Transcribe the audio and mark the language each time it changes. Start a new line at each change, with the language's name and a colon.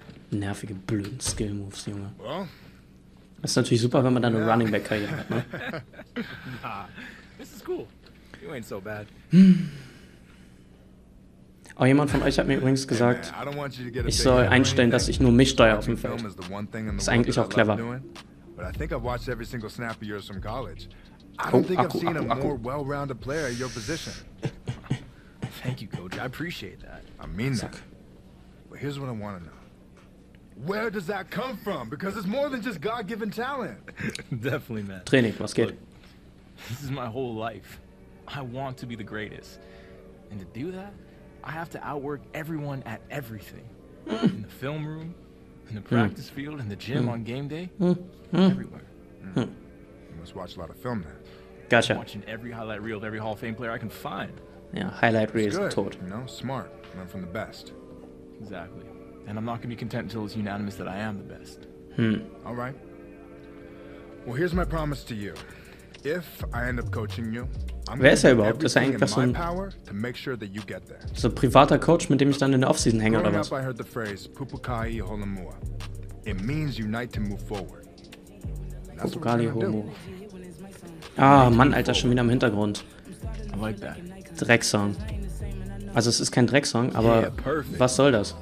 German: Nervige, blöden Skill-Moves, Junge. Das ist natürlich super, wenn man dann eine Running Back-Karriere hat, ne?
English: This is cool. You ain't so bad.
German: Oh, jemand von euch hat mir übrigens gesagt, ich soll einstellen, dass ich nur mich steuere auf dem Feld. Ist eigentlich auch clever.
English: But I think I've watched every single snap of yours from college. I don't think I've seen a more well-rounded player at your position. Thank you, coach. I appreciate that. I mean that. But here's what I want to know. Where does that come from? Because it's more than just God-given talent. Definitely, man.
German: Training, was geht?
English: Look, this is my whole life. I want to be the greatest. And to do that, I have to outwork everyone at everything. In the film room, in the practice field, in the gym on game day. Everywhere. You must watch a lot of film then. Gotcha. Watching every highlight reel of every Hall of Fame player I can find. Yeah, highlight reels are taught. You know, smart. Learn from the best. Exactly. And I'm not going to be content until it's unanimous that I am the best. All right. Well, here's my promise to you. If I end up coaching you, I'm going to do everything in my power to make sure that you get there.
German: So, privater Coach, mit dem ich dann in der Offseason hänge oder was?
English: I heard the phrase "Pupukai Holomua." It means unite to move forward.
German: Pokali Homo. Ah, Mann, Alter, schon wieder im Hintergrund.
English: I like that.
German: Drecksong. Also, es ist kein Drecksong, aber yeah, was soll das?